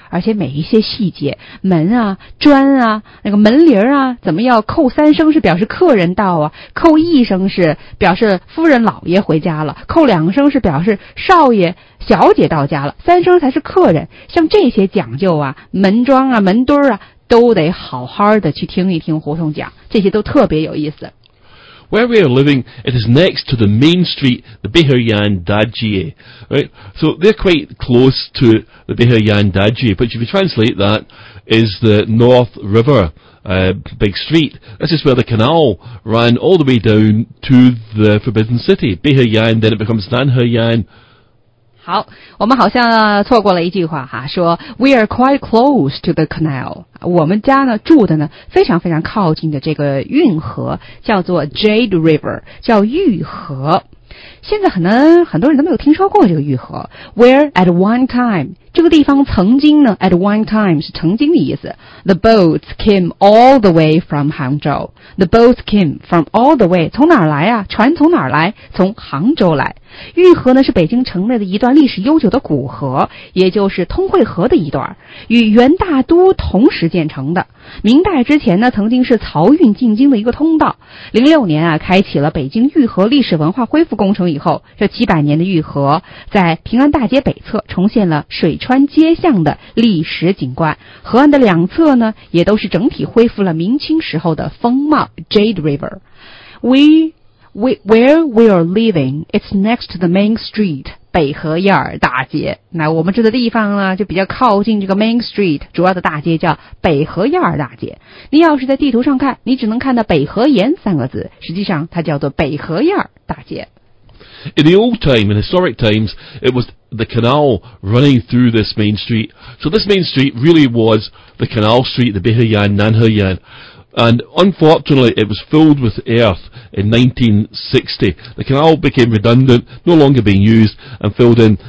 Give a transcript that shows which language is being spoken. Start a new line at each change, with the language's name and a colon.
Chinese: 而且每一些细节，门啊，砖啊，那个门铃啊，怎么要叩三声是表示客人到啊，叩一声是表示夫人老爷回家了，叩两声是表示少爷小姐到家了，三声才是客人。像这些讲究啊，门庄啊，门墩啊，都得好好的去听一听胡同讲，这些都特别有意思。
English: Where we are living, it is next to the main street, the Beheryan Dajie, right? So they're quite close to the Beheryan Dajie, which if you translate that, is the North River, big street. This is where the canal ran all the way down to the Forbidden City. Beheryan, then it becomes Nanheryan.
Chinese: 好，我们好像错过了一句话哈，说
English: We are quite close to the canal.
Chinese: 我们家呢住的呢非常非常靠近的这个运河叫做 Jade River, 叫玉河。现在可能很多人都没有听说过这个愈合。
English: Where at one time,
Chinese: 这个地方曾经呢 ,
English: at one time
Chinese: 是曾经的意思。
English: The boats came all the way from Hangzhou. The boats came from all the way,
Chinese: 从哪儿来啊？船从哪儿来？从杭州来。愈合呢是北京城内的一段历史悠久的古河，也就是通惠河的一段，与元大都同时建成的。明代之前呢曾经是漕运进京的一个通道。06年啊开启了北京愈合历史文化恢复工程以后，这几百年的愈合在平安大街北侧重现了水川街巷的历史景观。河岸的两侧呢也都是整体恢复了明清时候的风貌 Jade River.
English: Where we are living, it's next to the main street, 北河燕尔大街。
Chinese: 那我们住的地方呢就比较靠近这个 main street, 主要的大街叫北河燕尔大街。你要是在地图上看，你只能看到北河沿三个字，实际上它叫做北河燕尔大街。
English: In the old time, in historic times, it was the canal running through this main street. So this main street really was the canal street, the 北河燕尔南河燕尔。 And unfortunately, it was filled with earth in 1960. The canal became redundant, no longer being used, and filled in.